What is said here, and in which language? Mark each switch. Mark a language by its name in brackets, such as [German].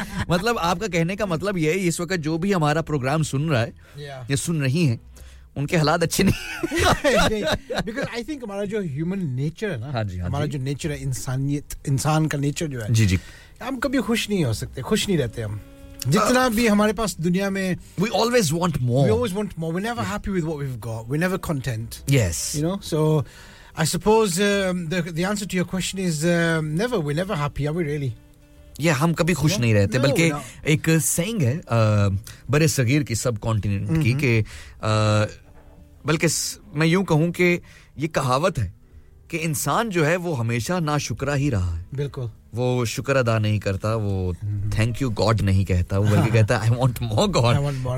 [Hindi] मतलब आपका कहने का मतलब यह है इस वक्त जो भी हमारा प्रोग्राम सुन रहा है [English] yeah. [Hindi] या सुन रही है उनके हालात अच्छे नहीं [English] because I think [Hindi] हमारा जो ह्यूमन नेचर है ना हाँ जी, हाँ हमारा जी. जो नेचर है इंसानियत इंसान का नेचर जो है जी जी हम कभी खुश नहीं हो सकते खुश नहीं रहते हम जितना भी हमारे पास दुनिया में [English] we always want more we always want more we're never yeah. happy with what we've got we're never content yes you know so I suppose the answer to your question is never we're never happy are we really [Hindi] ये हम कभी खुश नहीं रहते बल्कि एक saying है बड़े सगीर की सब कॉन्टिनेंट की कि बल्कि मैं यूं कहूं कि ये कहावत है कि इंसान जो है वो हमेशा ना शुक्रा ही रहा है बिल्कुल वो शुक्र अदा नहीं करता वो [English] thank you God [Hindi] नहीं कहता वो बल्कि कहता है [English] I want more